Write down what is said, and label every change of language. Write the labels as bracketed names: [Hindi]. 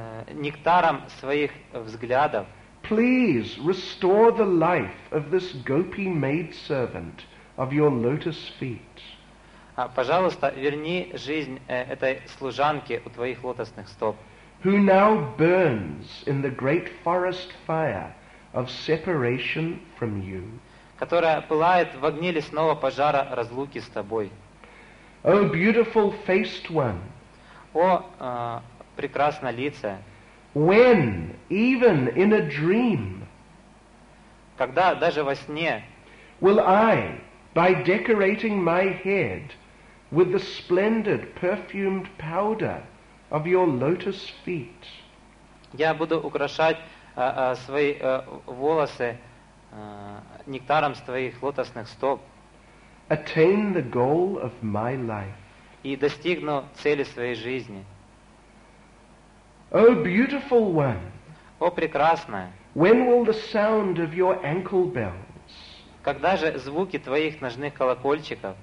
[Russian] Нектаром своих взглядов. [English] Please restore the life of this gopi maidservant of your lotus feet. [Russian] Пожалуйста, верни жизнь этой служанке у твоих лотосных стоп. [English] Who now burns in the great forest fire of separation from you. [Russian] Которая пылает в огне лесного пожара разлуки с тобой. [English] O beautiful faced one. [Russian] О прекрасно лице. [English] When, even in a dream, [Russian] когда даже во сне, [English] will I, by decorating my head with the splendid perfumed powder of your lotus feet, [Russian] я буду украшать свои волосы нектаром с твоих лотосных стоп, [English] attain the goal of my life, [Russian] и достигну цели своей жизни. [English] O beautiful one. [Russian] О прекрасная. [English] When will the sound of your ankle bells? [Russian] Когда же звуки твоих ножных колокольчиков?